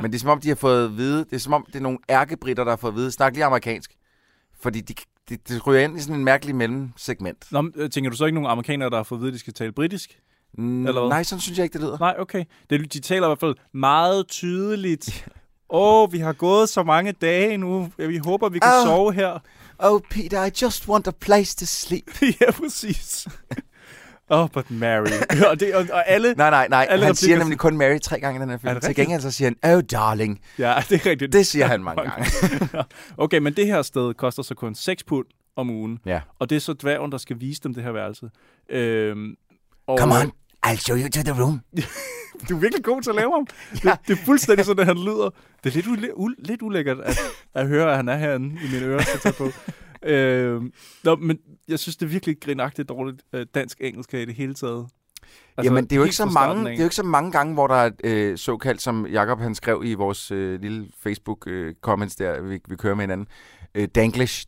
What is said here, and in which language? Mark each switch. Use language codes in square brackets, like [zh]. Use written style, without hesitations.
[da] Men det er som om, de har fået at vide... Det er som om, det er nogle ærkebritter, der har fået at vide. Snak lige amerikansk. Fordi de ryger ind i sådan en mærkelig mellemsegment. Nå, tænker du så ikke nogen amerikanere, der har fået at vide, at de skal tale britisk? Nej, sådan synes jeg ikke, det lyder. Nej, okay. De taler i hvert fald meget tydeligt. Vi har gået så mange dage nu. Vi håber, vi kan sove her. [en] Oh, Peter, I just want a place to sleep. [da] Ja, præcis. [en] but Mary. [da] og alle... Nej. Alle han replikker. Siger nemlig kun Mary tre gange i den her film. Til gengæld så siger han, [en] oh, darling. [da] Ja, det er rigtigt. Det siger han mange gange. Okay, men det her sted koster så kun 6 pund om ugen. Ja. Og det er så dværgen, der skal vise dem det her værelse. [en] Come on, I'll show you to the room. [da] Du er virkelig god til at lave ham. Det er fuldstændig sådan, at han lyder. Det er lidt, lidt ulækkert at høre, at han er herinde i mine ører. Men jeg synes, det er virkelig grinagtigt dårligt dansk-engelsk i det hele taget. Altså, jamen, det er, jo ikke så mange, det er jo ikke så mange gange, hvor der er såkaldt, som Jacob han skrev i vores lille Facebook-comments der, vi kører med hinanden, Danglish.